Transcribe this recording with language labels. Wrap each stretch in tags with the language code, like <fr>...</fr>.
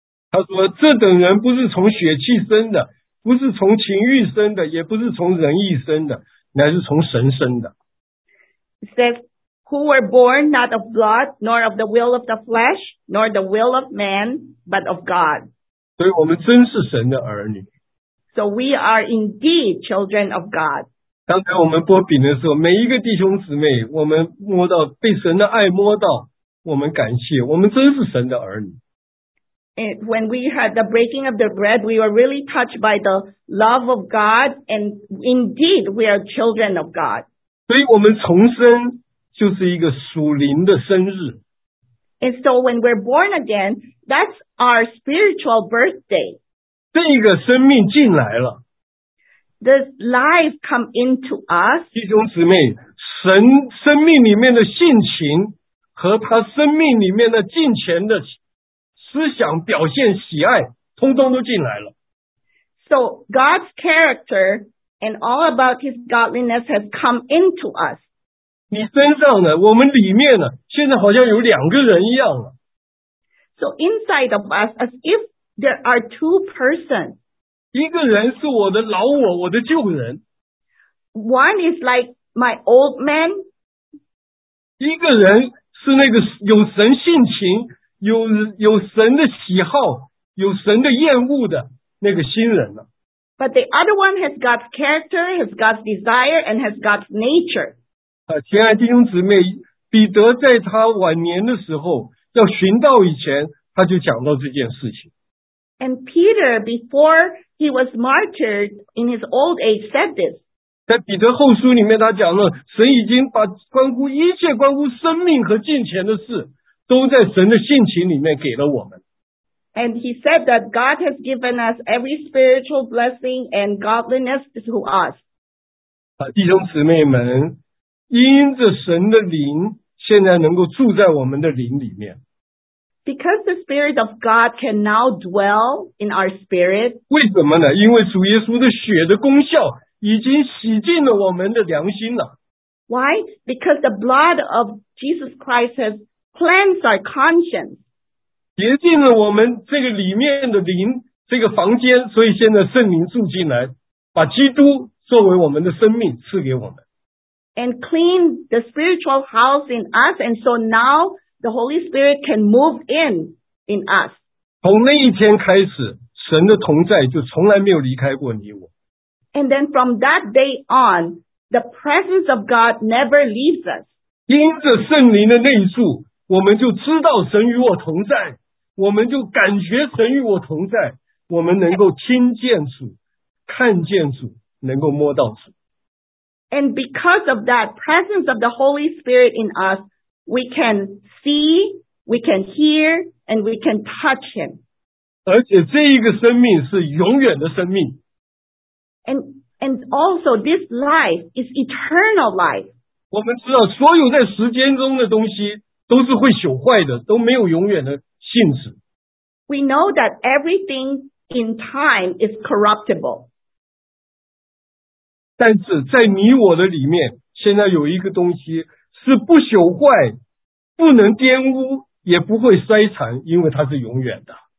<zh>他说：“这等人不是从血气生的，不是从情欲生的，也不是从人意生的，乃是从神生的。”</zh> <en>Says. Who were born not of blood, nor of the will of the flesh, nor the will of man, but of God.</en> <zh>所以我们真是神的儿女。</zh> <en>So we are indeed children of God.</en> <zh>刚才我们擘饼的时候，每一个弟兄姊妹，我们摸到被神的爱摸到，我们感谢，我们真是神的儿女。</zh> <en>And when we had the breaking of the bread, we were really touched by the love of God, and indeed we are children of God.</en> <zh>所以我们重生。就是一个属灵的生日。</zh> <en>And so when we're born again, that's our spiritual birthday.</en> <zh>这一个生命进来了。</zh> <en>This life come into us.</en> <zh>弟兄姊妹，神生命里面的性情和他生命里面的敬虔的思想表现喜爱，通通都进来了。</zh> <en>So God's character and all about his godliness has come into us.</en> <zh>你身上呢，我们里面呢，现在好像有两个人一样了。</zh> <en>So inside of us, as if there are two persons.</en> <zh>一个人是我的老我，我的旧人。</zh> <en>One is like my old man.</en> <zh>一个人是那个有神性情、有神的喜好、有神的厌恶的那个新人呢。</zh> <en>But the other one has God's character, has God's desire, and has God's nature.</en> <zh>亲爱的弟兄姊妹，彼得在他晚年的时候，要寻道以前，他就讲到这件事情。</zh> <en>And Peter, before he was martyred in his old age, said this.</en> <zh>在彼得后书里面，他讲了，神已经把关乎一切关乎生命和敬虔的事，都在神的性情里面给了我们。</zh> <en>And he said that God has given us every spiritual blessing and godliness to us.</en> <zh>弟兄姊妹们，因着神的灵，现在能够住在我们的灵里面。</zh> <en>Because the Spirit of God can now dwell in our spirit.</en> <zh>为什么呢？因为主耶稣的血的功效已经洗净了我们的良心了。</zh> <en>Why? Because the blood of Jesus Christ has cleansed our conscience.</en> <zh>洁净了我们这个里面的灵，这个房间，所以现在圣灵住进来，把基督作为我们的生命赐给我们。</zh> <en>And clean the spiritual house in us, and so now the Holy Spirit can move in us.</en> <zh>从那一天开始，神的同在就从来没有离开过你我。</zh> <en>And then from that day on, the presence of God never leaves us.</en> <zh>因着圣灵的内住。我们就知道神与我同在，我们就感觉神与我同在，我们能够听见主，看见主，能够摸到主。</zh> <en>And because of that presence of the Holy Spirit in us, we can see, we can hear, and we can touch Him.</en> <zh>而且这一个生命是永远的生命。</zh> <en>And also this life is eternal life.</en> <zh>我们知道所有在时间中的东西都是会朽坏的，都没有永远的性质。</zh> <en>We know that everything in time is corruptible.</en> <zh>但是在你我的里面，现在有一个东西是不朽坏，不能玷污，也不会衰残，因为它是永远的。</zh>